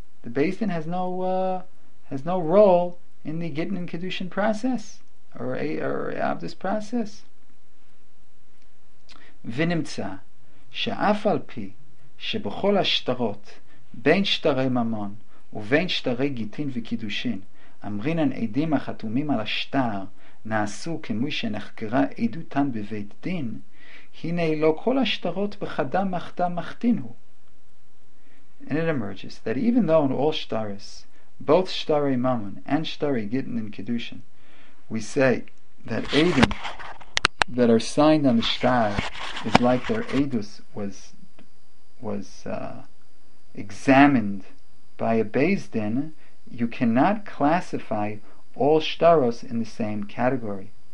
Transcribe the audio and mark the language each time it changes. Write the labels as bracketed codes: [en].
[en] The beis din has no role in the getting in kedushin process or avdus process. [he] ונמצא שאף על פי שבכל השטרות בין שטרי ממון ובין שטרי גיטין וקידושין אמרינן עדים החתומים על השטר נעשו כמו שנחקרה עדותן בבית דין, הנה לא כל השטרות בחדה מחתה מחתינו. [en] And it emerges that even though in all shtaris, both shtari ממון and shtari gittin and kidushin, we say that עדים that are signed on the shtar is like their edus was examined by a beis din, you cannot classify all shtaros in the same category.